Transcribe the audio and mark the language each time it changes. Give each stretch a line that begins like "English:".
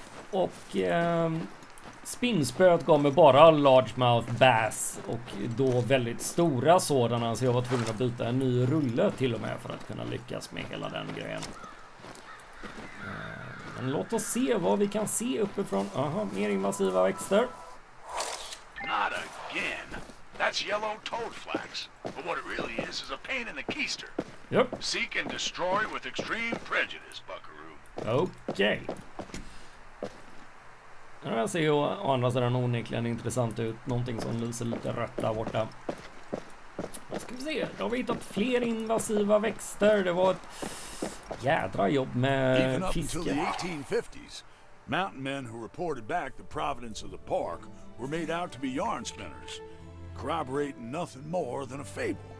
Swedish: Och spinspöet går med bara largemouth bass, och då väldigt stora sådana, så jag var tvungen att byta en ny rulle till och med för att kunna lyckas med hela den grejen. Men låt oss se vad vi kan se uppifrån. Aha, mer invasiva växter.
English: Not again. That's yellow toadflax. But what it really is a pain in the keister. Yep. Seek and destroy with extreme prejudice, buckaroo. Okej. Okay.
Swedish: Den här ser ju å andra sidan onekligen intressant ut. Någonting som lyser lite rött där borta. Vad ska vi se? Då har vi hittat fler invasiva växter. Det var ett... Jädra jobb med fiskarna.
English: Even up until the 1850s, mountain men who reported back the providence of the park were made out to be yarn spinners, corroborating nothing more than a fable.